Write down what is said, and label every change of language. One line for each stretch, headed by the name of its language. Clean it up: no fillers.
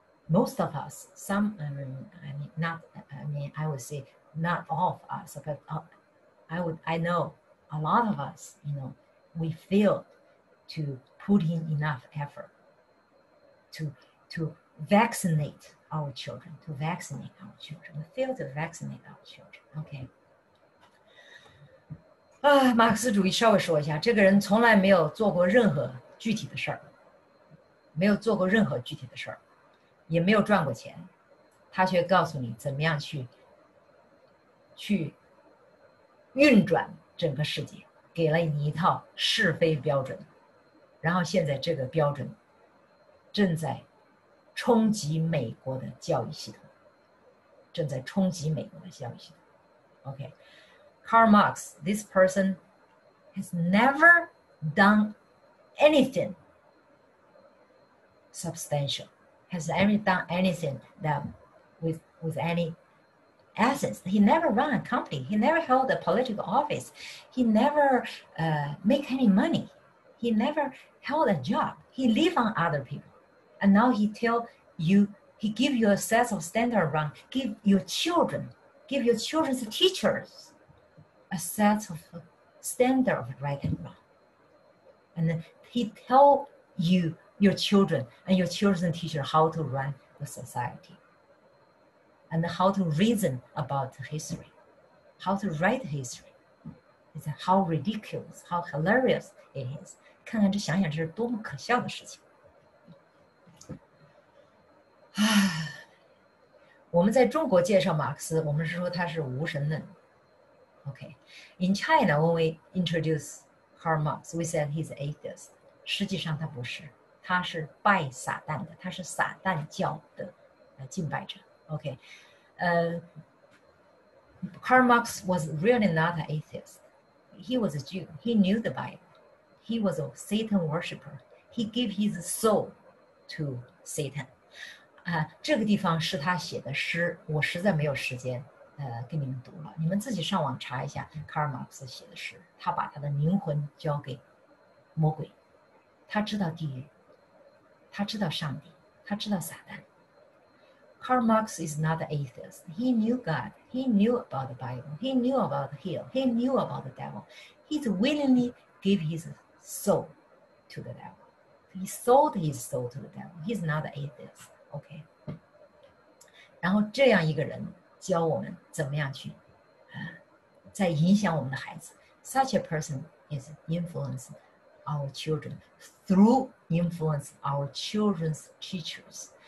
English: most of us, some, I would say not all of us, but I know a lot of us, you know, we fail to put in enough effort to vaccinate our children, We fail to vaccinate our children, okay?
Chinese: 啊，马克思主义稍微说一下，这个人从来没有做过任何具体的事儿，没有做过任何具体的事儿，也没有赚过钱，他却告诉你怎么样去运转整个世界，给了你一套是非标准，然后现在这个标准正在冲击美国的教育系统，正在冲击美国的教育系统 ，OK。
English: Karl Marx, this person has never done anything substantial, has ever done anything that with any essence. He never ran a company, he never held a political office, he never make any money, he never held a job, he live on other people. And now he tell you, he give you a set of standard around, give your children's teachers,a set of standard of right and wrong. And he tell you, your children, and your children's teacher how to run the society, and how to reason about history, how to write history. It's how ridiculous, how hilarious it is.
Chinese: 看看这想想这是多么可笑的事情。我们在中国介绍马克思，我们是说他是无神论。
English: Okay, in China, when we introduce Karl Marx, we said he's an atheist.
Chinese: 实际上他不是，他是拜撒旦的，他是撒旦教的敬拜者。
English: Okay, Karl Marx was really not an atheist. He was a Jew. He knew the Bible. He was a Satan worshipper. He gave his soul to Satan.
Chinese: 这个地方是他写的诗，我实在没有时间。给你们读了，你们自己上网查一下卡尔马克思写的诗。他把他的灵魂交给魔鬼，他知道地狱，他知道上帝，他知道撒旦。
English: Karl Marx is not an atheist. He knew God. He knew about the Bible. He knew about hell. He knew about the devil. He willingly gave his soul to the devil. He sold his soul to the devil. He's not an atheist. Okay.
Chinese: 然后这样一个人。教我们怎么样去，在影响我们的孩子。
English: Such a person is influence our children through influence our children's teachers.